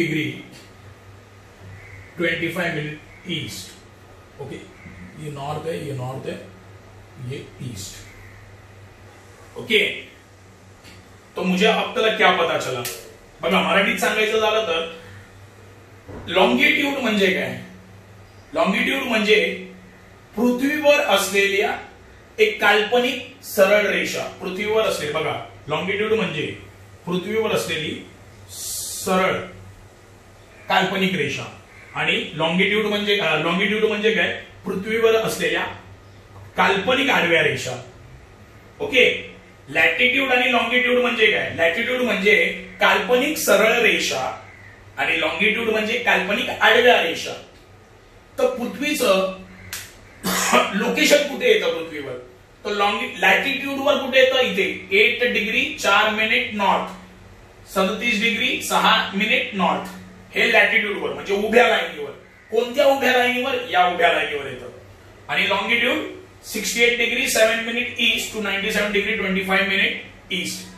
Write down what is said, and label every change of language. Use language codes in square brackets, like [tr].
[en] 68 degree 7 minute to 97 degree 25 minute east. [hi] Okay, ये north है, ये नॉर्थ है, ये ईस्ट। [mr] ओके, तो मुझे अब तक क्या पता चला, बघा मराठीत सांगायचं झालं तर लॉन्गिट्यूड म्हणजे काय, लॉन्गिट्यूड म्हणजे पृथ्वीवर असलेल्या एक काल्पनिक सरळ रेषा, पृथ्वीवर असलेली, बघा लॉन्गिट्यूड म्हणजे पृथ्वीवर असलेली सरळ काल्पनिक रेषा, आणि लॉन्गिट्यूड म्हणजे, लॉन्गिट्यूड म्हणजे काय, पृथ्वीवर असलेल्या काल्पनिक आडव्या रेषा। ओके, लॅटिट्यूड आणि लॉन्गिट्यूड म्हणजे काय, लॅटिट्यूड म्हणजे काल्पनिक सरळ रेषा आणि लॉन्गिट्यूड म्हणजे काल्पनिक आडव्या रेषा। तर पृथ्वीचं लोकेशन कुठे येतं पृथ्वीवर? तर लॅटिट्यूड वर कुठे येतं? इथे [en] 8 degree 4 minute north, [mr] 37 degree 6 minute north, हे लॅटिट्यूड वर, म्हणजे उभ्या लाईनीवर। कोणत्या उभ्या लाईनीवर? या उभ्या लाईनीवर येतं। [en] आणि longitude 68 degree 7 minute east to 97 degree 25 minute east।